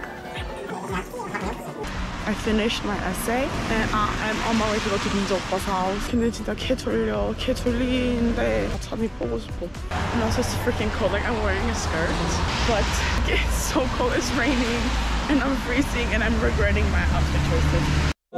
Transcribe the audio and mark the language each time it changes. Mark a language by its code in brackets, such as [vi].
[en] I finished my essay and I'm on my way to go to 김지오빠's house. [ko] 근데 진짜 개 졸려, 개 졸리는데 잠이 보고 싶어. [en] And also it's freaking cold, like I'm wearing a skirt. But it's so cold, it's raining and I'm freezing and I'm regretting my outfit choices.